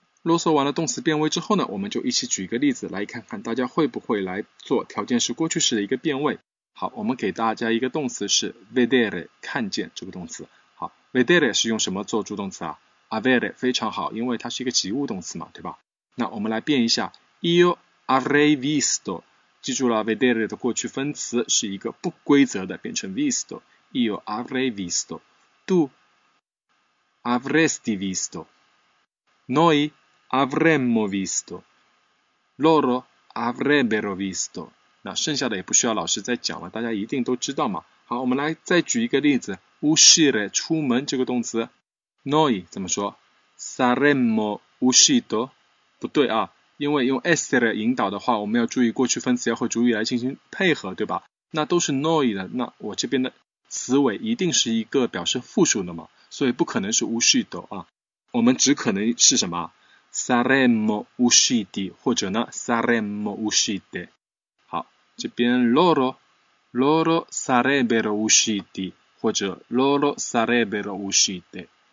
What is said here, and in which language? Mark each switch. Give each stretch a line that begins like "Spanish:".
Chinese: 啰嗦完了动词变位之后呢，我们就一起举一个例子来看看大家会不会来做条件式过去式的一个变位。好，我们给大家一个动词是 vedere， 看见这个动词。好， vedere 是用什么做助动词啊？avere 非常好，因为它是一个及物动词嘛，对吧？那我们来变一下，
Italian: io avrei visto，
Chinese: 记住了 vedere 的过去分词是一个不规则的变成 visto， io avrei visto，
Italian: tu avresti visto， noiAvremmo visto, loro avrebbero visto。
Chinese: 那剩下的也不需要老师再讲了，大家一定都知道嘛。好，我们来再举一个例子， uscire 出门这个动词， noi 怎么说？
Italian: saremmo uscito，
Chinese: 不对啊，因为用 essere 引导的话，我们要注意过去分词要和主语来进行配合，对吧？那都是 noi 的，那我这边的词尾一定是一个表示复数的嘛，所以不可能是 uscito 啊，我们只可能是什么
Italian: saremmo usciti
Chinese: 或者呢
Italian: saremmo uscite。好，
Chinese: 这边
Italian: loro sarebbero usciti 或者 loro sarebbero uscite。